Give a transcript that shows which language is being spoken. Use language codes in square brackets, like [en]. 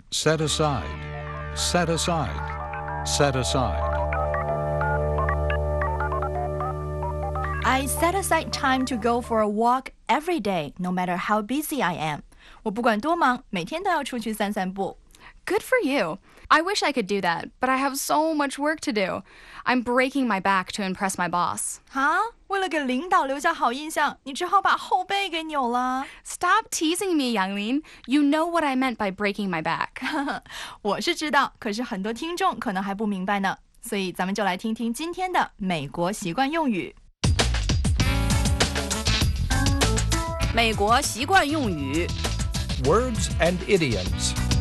[en] set aside, set aside, set aside. I set aside time to go for a walk every day, no matter how busy I am. [zh] 我不管多忙，每天都要出去散散步。 [en] Good for you. I wish I could do that, but I have so much work to do. I'm breaking my back to impress my boss. Huh? [zh] 为了给领导留下好印象，你只好把后背给扭了。 [en] Stop teasing me, Yanglin. You know what I meant by breaking my back. [zh] 我是知道，可是很多听众可能还不明白呢。所以咱们就来听听今天的美国习惯用语。美国习惯用语。 [en] Words and idioms.